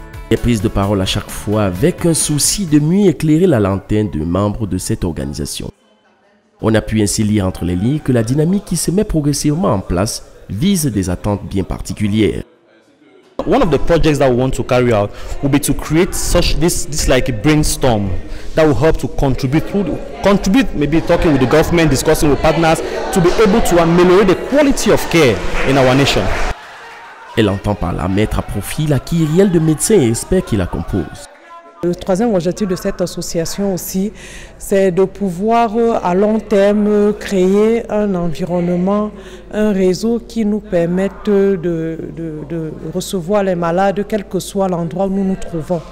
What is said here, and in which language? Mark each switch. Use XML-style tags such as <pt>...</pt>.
<fr>Des prises de parole à chaque fois avec un souci de mieux éclairer la lanterne de membres de cette organisation. On a pu ainsi lire entre les lignes que la dynamique qui se met progressivement en place vise des attentes bien particulières.</fr> <en>One of the projects that we want to carry out will be to create such this like a brainstorm that will help to contribute maybe talking with the government, discussing with partners to be able to ameliorate the quality of care in our nation.</en> <fr>Elle entend par là mettre à profit la kyrielle de médecins et experts qui la composent. Le troisième objectif de cette association aussi, c'est de pouvoir à long terme créer un environnement, un réseau qui nous permette de recevoir les malades, quel que soit l'endroit où nous nous trouvons.</fr>